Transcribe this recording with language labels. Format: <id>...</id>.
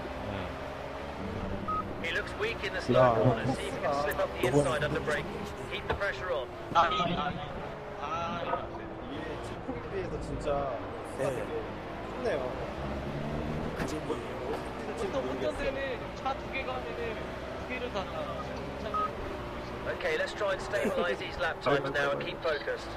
<en>네. He looks weak in the slow corner. See if he can slip up the inside of the brake. Keep the pressure on.</en> <ko>아, 이, 아, 이. 아, 이게 체코에 비해서 진짜 크네요. 그지 뭐예요? 보통 운전대는 차 두 개가 하면은 두 개를 다 차가.</ko> <en>Okay, let's try and stabilize these lap times now and keep focused.</en>